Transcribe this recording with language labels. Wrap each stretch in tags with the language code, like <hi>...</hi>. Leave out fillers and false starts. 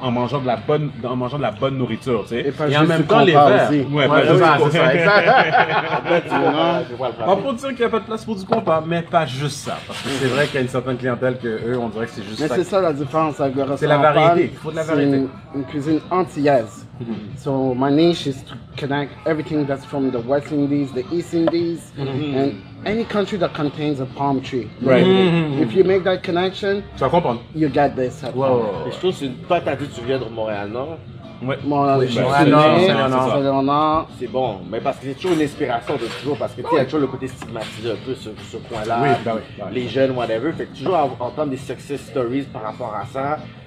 <fr>En mangeant de la bonne nourriture, tu sais? Et en même temps, les verres. Ouais, pas juste ça, c'est ça, exact. Pas pour dire qu'il n'y a pas de place pour du compas, mais pas juste ça. Parce que c'est vrai qu'il y a une certaine clientèle que eux, on dirait que c'est juste mais ça. Mais c'est ça la différence avec le restaurant. C'est la variété, il faut de la variété. C'est une cuisine antillaise.</fr> <en>So my niche is to connect everything that's from the West Indies, the East Indies, mm-hmm. and any country that contains a palm tree. Right. Mm-hmm. If you make that connection,</en> <fr>tu vas comprendre.</fr> <en>You get this. Wow.</en> <fr>Et je trouve que c'est pas t'as dit tu viens de Montréal, non? Ouais. Montréal, c'est ça. C'est bon, mais parce que c'est toujours une inspiration de toujours, parce que tu as toujours le côté stigmatisé un peu sur ce point-là. Oui, ben oui. Les jeunes, whatever, fait toujours entendre des success stories par rapport à ça.</fr>